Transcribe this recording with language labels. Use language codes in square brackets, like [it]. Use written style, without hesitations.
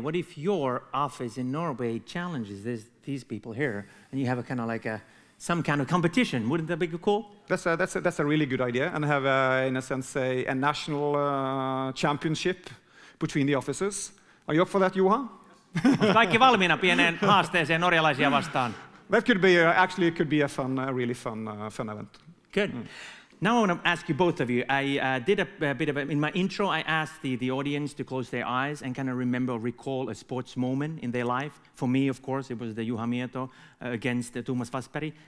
[en] What if your office in Norway challenges these people here, and you have a kind of like some kind of competition? Wouldn't that be cool? That's a really good idea, and have a national championship between the offices. Are you up for that, Juha? [fi] Kaikki valmiina pienen haasteeseen norjalaisia vastaan. That could be a really fun event. Good. Now I want to ask you, both of you, in my intro, I asked the audience to close their eyes and kind of remember or recall a sports moment in their life. For me, of course, it was the Juha Mieto against Thomas Fassberg.